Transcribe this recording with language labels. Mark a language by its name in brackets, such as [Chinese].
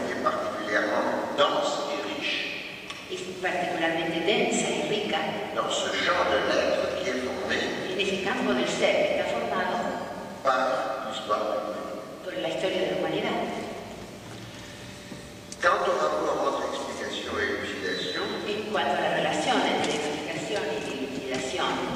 [French] est particulièrement dense et riche, [Spanish] es particularmente densa y rica [French] dans ce genre de l'être qui est formé, [Spanish] en ese campo del ser que está formado [French] par l'histoire de [Spanish] por la historia de la humanidad. [French] Quant au rapport entre explication et élucidation, [Spanish] en cuanto a la relación entre explicación y elucidación,